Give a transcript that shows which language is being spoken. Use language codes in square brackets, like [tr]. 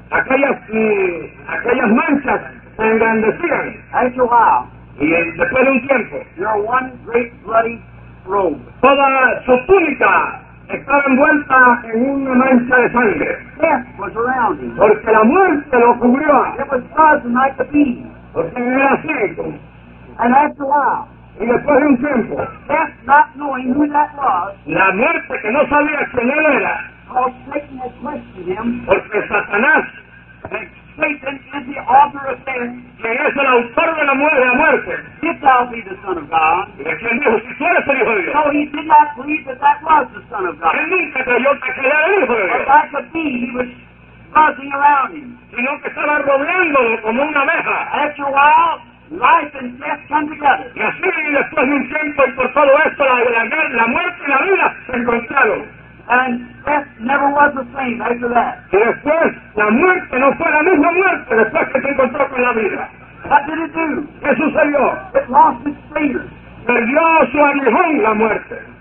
[es] Aquellas manchas se engrandecían. [en] After a while. [es] Y después de un tiempo. [en] Your one great bloody robe. [es] Toda su túnica estaba envuelta en una mancha de sangre. [en] Death was around him. [es] Porque la muerte lo cubrió. [en] It was buzzing like a bee. [es] Porque era así. [en] And after a while. [es] Y después de un tiempo, [en] death not knowing who that was, [es] la muerte que no sabía quién él era, [en] Satan had questioned him, [es] porque Satanás, [en] Satan is the author of sin, [es] que es el autor de la muerte, [en] if thou be the son of God, [es] y quien dijo, si tú eres el hijo de Dios, [en] so he did not believe that that was the son of God, [es] él nunca creyó que aquel era el hijo de Dios, [en] but like a bee, he was buzzing around him, [es] sino que estaba rodeándolo como una abeja, [en] after a while, life and death come together. [es] Y así, después de un tiempo, y por todo esto, la muerte y la vida se encontraron. [en] And death never was the same after that. [es] Y después, la muerte no fue la misma muerte después que se encontró con la vida. [en] What did it do? [es] ¿Qué sucedió? [en] It lost its savior. [es] Perdió su aguijón, la muerte.